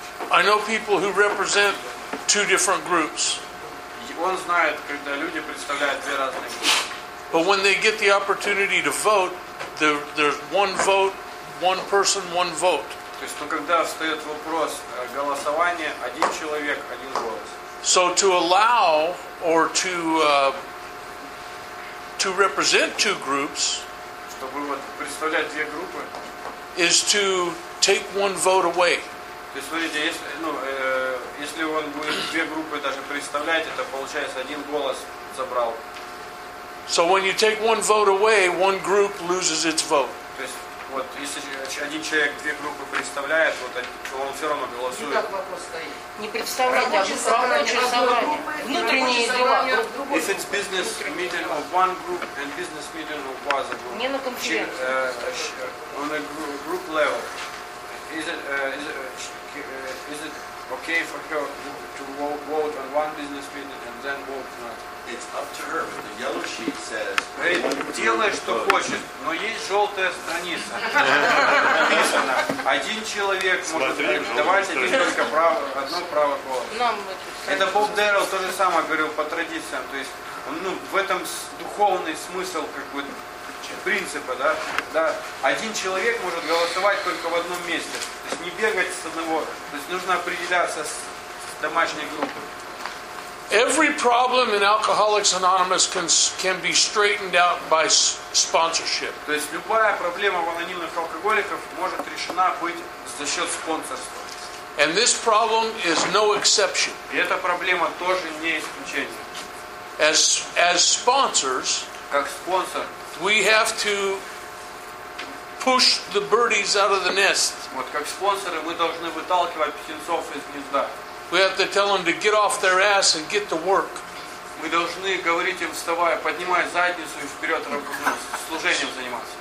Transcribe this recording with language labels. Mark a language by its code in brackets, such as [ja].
[en] I know people who represent two different groups. [ru] Он знает, когда люди представляют две разные группы. [en] But when they get the opportunity to vote, there's one vote, one person, one vote. [ru] То есть, когда встает вопрос голосования, один человек, один голос. [en] So to allow or to represent two groups, [ru] чтобы вот представлять две группы, [en] is to take one vote away. [ru] То есть, смотрите, если он будет две группы даже представлять, это получается один голос забрал. [en] So when you take one vote away, one group loses its vote. [ru] То есть, вот, если один человек две группы представляет, вот, то он все равно голосует. И как вопрос стоит? Не представлять, а управляющее внутренние дела. [en] If it's business meeting of one group and business meeting of other group. [ru] Не на конференции. [en] On a group level. Is it okay for her to vote on one business meeting and then vote on another? It's up to her, but the yellow sheet says... [ru] Делай, что хочет, но есть желтая страница. Написано, один человек может давать один только право, одно право голоса. Это Боб Дэрилл то же самое говорил по традициям. То есть, ну, в этом духовный смысл, как бы... принципа, да? Да, один человек может голосовать только в одном месте, то есть не бегать с одного, то есть нужно определяться с домашней группой. [en] Every problem in Alcoholics Anonymous can be straightened out by sponsorship. [ru] То есть любая проблема в анонимных алкоголиках может решена быть за счет спонсорства. [en] And this problem is no exception. [ru] И эта проблема тоже не исключение. [en] As sponsors, [ru] как спонсор, [en] we have to push the birdies out of the nest. [ru] Вот как спонсоры мы должны выталкивать птенцов из гнезда. [en] We have to tell them to get off their ass and get to work. [ru] Мы должны говорить им, вставай, поднимай задницу и вперед, служением заниматься.